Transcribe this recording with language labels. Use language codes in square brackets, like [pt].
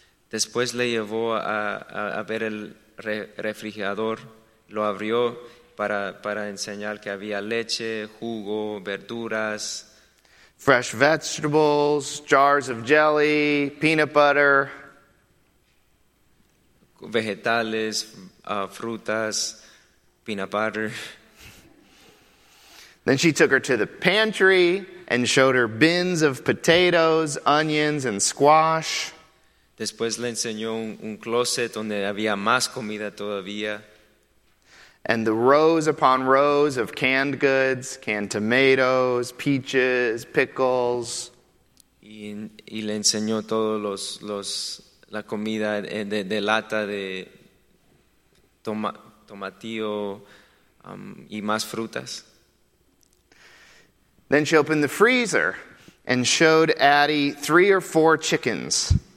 [es] Después le llevó a ver el refrigerador, lo abrió para enseñar que había leche, jugo, verduras, [en] fresh vegetables, jars of jelly, peanut butter, [es] vegetales, frutas, [en] peanut butter. Then she took her to the pantry and showed her bins of potatoes, onions, and squash. [es] Después le enseñó un closet donde había más comida todavía. [en] And the rows upon rows of canned goods, canned tomatoes, peaches, pickles. [es] Y le enseñó todos la comida de lata de tomatillo y más frutas. [en] Then she opened the freezer and showed Addie 3 or 4 chickens.